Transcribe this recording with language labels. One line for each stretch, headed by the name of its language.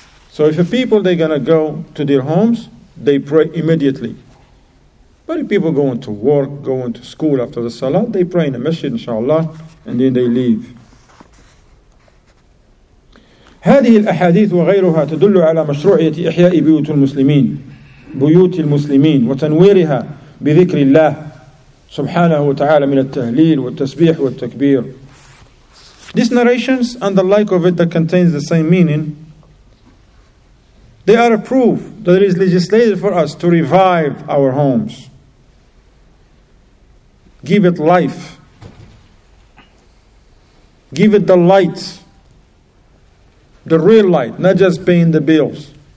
English: So if the people, they're going to go to their homes, they pray immediately. But if people going to work, going to school after the salah, they pray in the masjid, inshaAllah, and then they leave.
Arabic: هذه الأحاديث وغيرها تدل على مشروعية إحياء بيوت المسلمين بيوت المسلمين وتنويرها بذكر الله سبحانه وتعالى من التهليل والتسبيح والتكبير.
English: These narrations and the like of it that contains the same meaning, they are a proof that it is legislated for us to revive our homes, give it life, give it the light, the real light, not just paying the bills.